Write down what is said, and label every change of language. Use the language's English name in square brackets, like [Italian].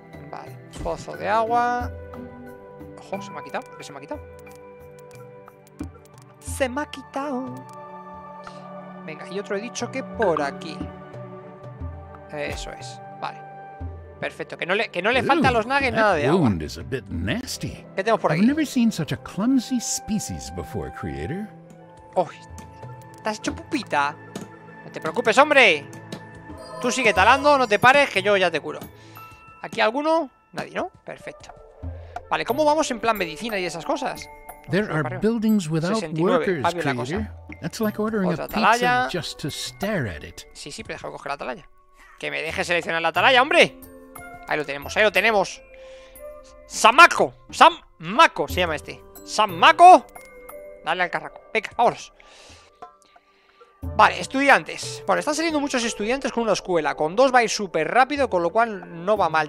[Spanish] Vale, pozo de agua. Ojo, se me ha quitado. ¿Qué se me ha quitado? Se me ha quitado. Venga, y otro he dicho que por aquí. Eso es. Vale. Perfecto, que no le falta a los nuggets nada de agua. [English] Is a bit nasty. [Spanish] ¿Qué tenemos por aquí? [English] I've never seen such a clumsy species before, creator. [Spanish] Oh, te has hecho pupita. No te preocupes, hombre. Tú sigue talando, no te pares, que yo ya te curo. ¿Aquí alguno? Nadie, ¿no? Perfecto. Vale, ¿cómo vamos en plan medicina y esas cosas? [English] There are buildings without workers, creator. That's like ordering a pizza just to stare at it. [Spanish] Sí, sí, pero déjame coger la atalaya. Que me deje seleccionar la atalaya, hombre. Ahí lo tenemos, ahí lo tenemos. ¡Samaco! ¡Samaco se llama este! ¡Samaco! Dale al carraco. Venga, vámonos. Vale, estudiantes. Bueno, están saliendo muchos estudiantes con una escuela. Con dos va a ir súper rápido, con lo cual no va mal.